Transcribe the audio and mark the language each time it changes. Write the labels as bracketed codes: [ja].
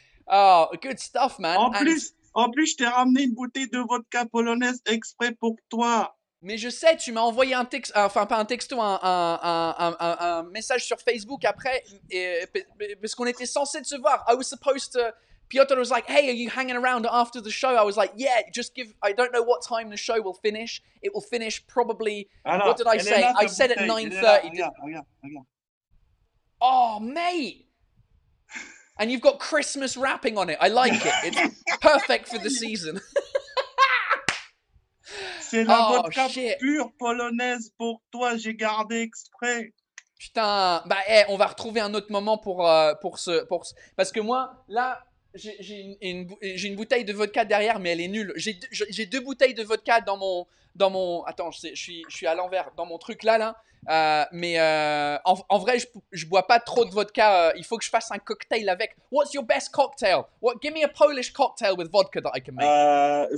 [en] Oh, good stuff, man. [fr] En plus, je t'ai ramené une bouteille de vodka polonaise exprès pour toi. Mais je sais, tu m'as envoyé un texte, enfin pas un texto, un message sur Facebook après, parce qu'on était censé se voir. [en] I was supposed to, Piotr was like, hey, are you hanging around after the show? I was like, yeah, just give, I don't know what time the show will finish. It will finish probably, [fr] alors, [en] what did I say? I said [fr] bouteille. [en] At 9:30. Oh, mate. And you've got Christmas wrapping on it. I like it. It's perfect for the season. [fr] C'est la vodka pure polonaise pour toi, j'ai gardé exprès. Putain, bah hey, on va retrouver un autre moment pour ce... Parce que moi, là, j'ai une bouteille de vodka derrière, mais elle est nulle. J'ai deux bouteilles de vodka dans mon... Attends, je suis à l'envers, dans mon truc là. Mais en vrai, je bois pas trop de vodka. Il faut que je fasse un cocktail avec. [en] What's your best cocktail? Give me a Polish cocktail with vodka that I can make.